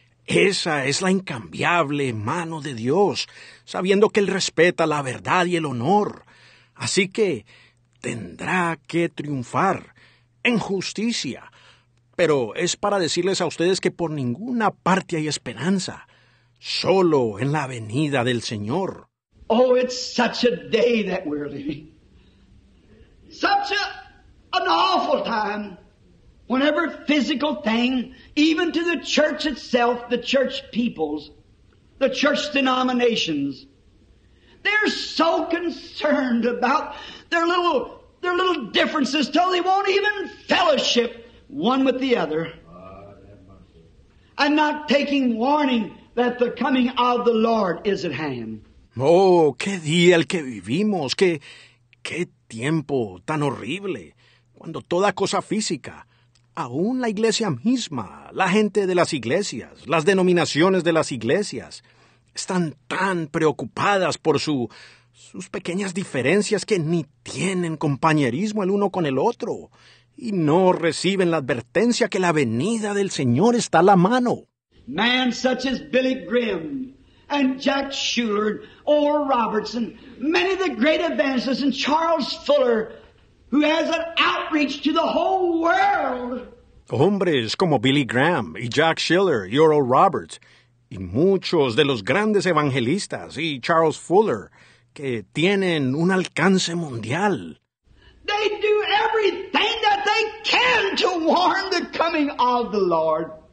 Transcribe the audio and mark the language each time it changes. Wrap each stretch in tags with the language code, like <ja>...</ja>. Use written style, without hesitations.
<es>Esa es la incambiable mano de Dios, sabiendo que Él respeta la verdad y el honor. Así que tendrá que triunfar en justicia. Pero es para decirles a ustedes que por ninguna parte hay esperanza, solo en la venida del Señor.</es> <en>Oh, it's such a day that we're living. Such an awful time. Whenever physical thing, even to the church itself, the church peoples, the church denominations, they're so concerned about their little differences till they won't even fellowship one with the other. And not taking warning that the coming of the Lord is at hand.</en> <es>Oh, qué día el que vivimos, qué tiempo tan horrible, cuando toda cosa física, aún la iglesia misma, la gente de las iglesias, las denominaciones de las iglesias, están tan preocupadas por sus pequeñas diferencias que ni tienen compañerismo el uno con el otro y no reciben la advertencia que la venida del Señor está a la mano.</es> <en>Man such as Billy Graham and Jack Schuller, Oral Robertson, many of the great evangelists, and Charles Fuller, who has an outreach to the whole world.</en> <es>Hombres como Billy Graham y Jack Schiller y Oral Roberts y muchos de los grandes evangelistas y Charles Fuller que tienen un alcance mundial.</es> <en>They do everything that they can to warn the coming of the Lord.</en>